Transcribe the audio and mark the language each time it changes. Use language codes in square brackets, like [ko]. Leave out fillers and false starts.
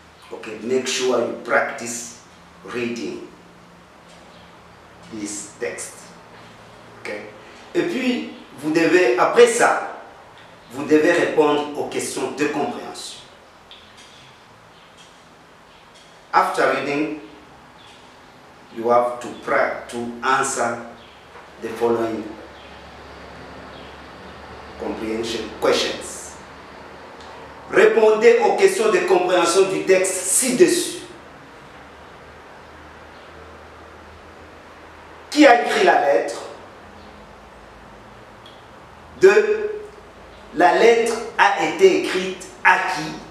[en] Ok, make sure you practice reading this text. Ok. [fr] Et puis, vous devez, après ça, vous devez répondre aux questions de compréhension. [en] After reading, you have to answer the following comprehension questions. [fr] Répondez aux questions de compréhension du texte ci-dessus. Qui a écrit la lettre? 2. La lettre a été écrite à qui?